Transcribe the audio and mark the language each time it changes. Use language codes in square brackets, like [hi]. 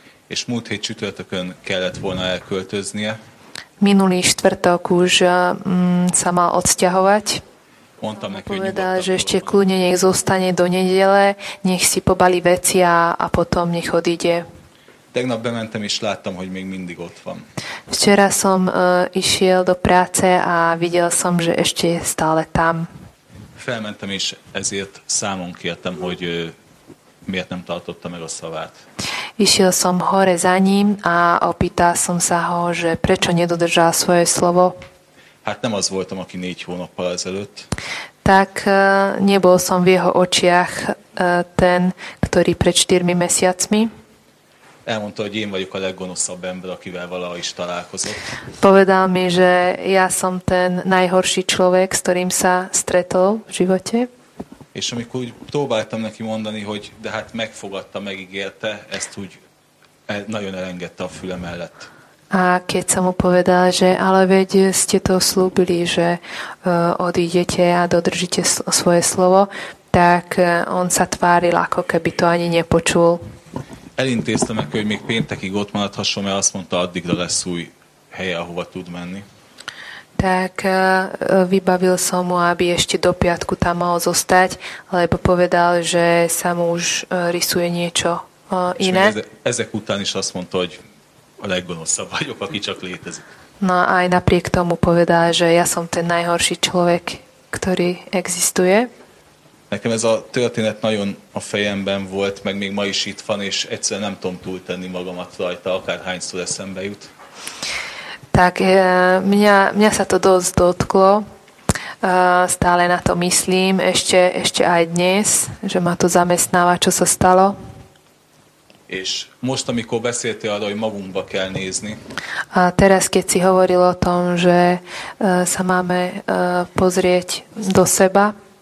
[hu] és múlt hét csütörtökön kellett volna elköltöznie. [sk] Minulý štvrtok už sa mal odsťahovať. [hu] Mondtam neki, [sk] povedal, že ešte kľudne nech zostane do nedele, nech si pobali veci a potom nech odíde. [hu] Tegnap bementem és láttam, hogy még mindig ott van. [sk] Včera som išiel do práce a videl som, že ešte je stále tam. [hu] Felmentem és ezért számon kértem, hogy miért nem tartotta meg a szavát. [sk] Išiel som hore za ním a opýtal som sa ho, že prečo nedodržal svoje slovo. [hu] Hát nem az voltam, aki 4 hónappal ezelőtt. [sk] Tak nebol som v jeho očiach ten, ktorý pred 4 mesiacmi. [hu] Elmondta, hogy én vagyok a leggonoszabb ember, akivel valaha is találkozott. [sk] Povedal mi, že ja som ten najhorší človek, s ktorým sa stretol v živote. [hu] És amikor úgy próbáltam neki mondani, hogy de hát megfogadta, megígérte, ezt úgy nagyon elengedte a füle mellett. [sk] A keď som mu povedal, že ale veď ste to slúbili, že odídete a dodržíte svoje slovo, tak on sa tváril, ako keby to ani nepočul. [hu] Elintéztem neki, hogy még péntekig ott maradhasson, mert azt mondta, addigra lesz új helye, ahova tud menni. [sk] Tak vybavil som mu, aby ešte do piatku tam mal zostať, lebo povedal, že sa mu už rysuje niečo iné. [hu] Ezek után is azt mondta, hogy a leggonoszabb vagyok, aki csak létezik. [sk] No aj napriek tomu povedal, že ja som ten najhorší človek, ktorý existuje. [hu] Nekem ez a történet nagyon a fejemben volt, meg még ma is itt van, és egyszerűen nem tudom túltenni magamat rajta, akárhányszor eszembe jut. [sk] Tak mňa sa to dosť dotklo, stále na to myslím, ešte aj dnes, že ma to zamestnáva, čo sa stalo. [hu] És most, amikor beszélte arra, hogy magunkba kell nézni. [sk] A teraz, keď si hovoril o tom, že sa máme pozrieť do seba.